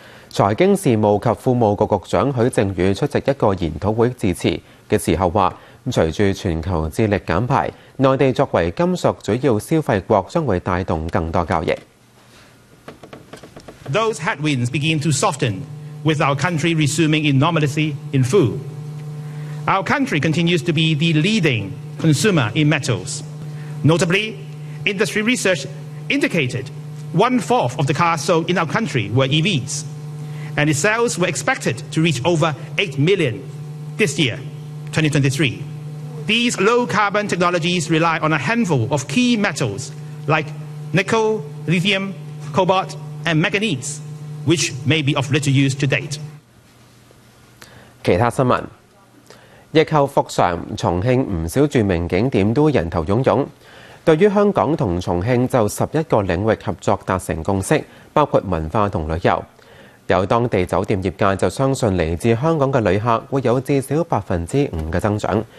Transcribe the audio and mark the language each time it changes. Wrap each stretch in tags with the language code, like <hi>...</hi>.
<yue>財經事務及副務局局長許正宇出席一個研討會致辭的時候說，隨著全球致力減排，內地作為金屬主要消費國將會帶動更多交易。</yue> <en>Those headwinds begin to soften with our country resuming in normalcy in food. Our country continues to be the leading consumer in metals. Notably, industry research indicated 1/4 of the cars sold in our country were EVs. And its sales were expected to reach over 8 million this year, 2023. These low-carbon technologies rely on a handful of key metals like nickel, lithium, cobalt, and manganese, which may be of little use to date.</en> <yue>其他新聞，疫後復常，重慶不少著名景點都人頭湧湧。對於香港和重慶就11個領域合作達成共識，包括文化和旅遊。有當地酒店業界就相信來自香港的旅客會有至少5%的增長。</yue>